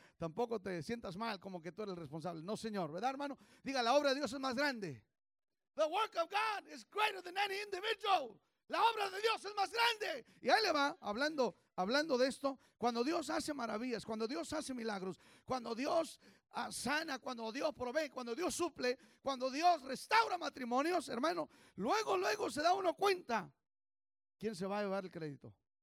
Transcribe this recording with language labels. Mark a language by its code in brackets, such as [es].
[es] Tampoco te sientas mal como que tú eres el responsable. No, señor. ¿Verdad, hermano? Diga, la obra de Dios es más grande. [en] The work of God is greater than any individual. [es] La obra de Dios es más grande. Y ahí le va, hablando de esto. Cuando Dios hace maravillas, cuando Dios hace milagros, cuando Dios sana, cuando Dios provee, cuando Dios suple, cuando Dios restaura matrimonios, hermano, luego se da uno cuenta quién se va a llevar el crédito.